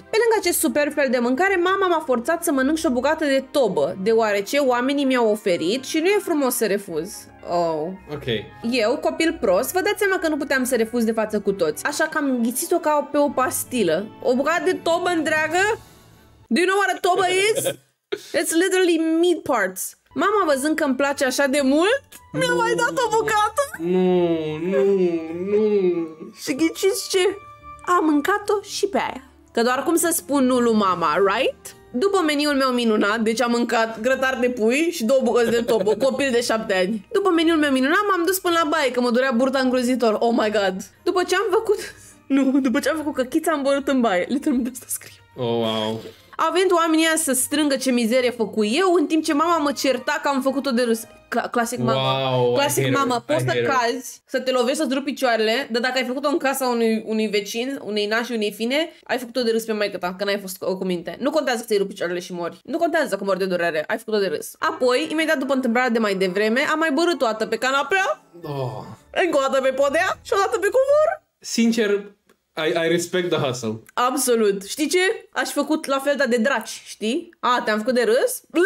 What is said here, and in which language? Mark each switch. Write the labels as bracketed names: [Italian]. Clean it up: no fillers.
[Romanian] Pe lângă acest superb fel de mâncare, mama m-a forțat să mănânc și o bucată de tobă, deoarece oamenii mi-au oferit și nu e frumos să refuz. Oh. Ok. Eu, copil prost, vă dați seama că nu puteam să refuz de față cu toți. Așa că am înghițit-o ca pe o pastilă. O bucată de tobă întreagă? [English] Do you know what a tobă is? It's literally meat parts. [Romanian] Mama, văzând că îmi place așa de mult, mi-a mai dat o bucată. Nu, nu, nu. Și ghiciți ce? Am mâncat-o și pe aia. Că doar cum să spun nu lui mama, [English] right? [Romanian] După meniul meu minunat, deci am mâncat grătar de pui și două bucăți de tobă, copil de 7 ani. După meniul meu minunat, m-am dus până la baie, că mă durea burta îngrozitor. [English] Oh my god. [Romanian] După ce am făcut... Nu, după ce am făcut căchița, am borât în baie. Literalmente de asta scrie. Oh, wow. Având oamenii să strângă ce mizerie făcu eu, în timp ce mama mă certa că am făcut-o de râs. [English] Classic mama. Wow, classic mama. [Romanian] Poți să cazi, să te lovești, să-ți rupi picioarele, dar dacă ai făcut-o în casa unui vecin, unei nași, unei fine, ai făcut-o de râs pe maică ta, că n-ai fost cu minte. Nu contează că ți-ai rupt picioarele și mori. Nu contează că mori de durere. Ai făcut-o de râs. Apoi, imediat după întâmplarea de mai devreme, am mai bărât o dată pe canapea, încă o dată pe podea și o dată pe covor. [English] Sincer, I respect the hustle. [Romanian] Absolut. Știi ce? Aș făcut la fel, dar de draci, știi? A, te-am făcut de râs?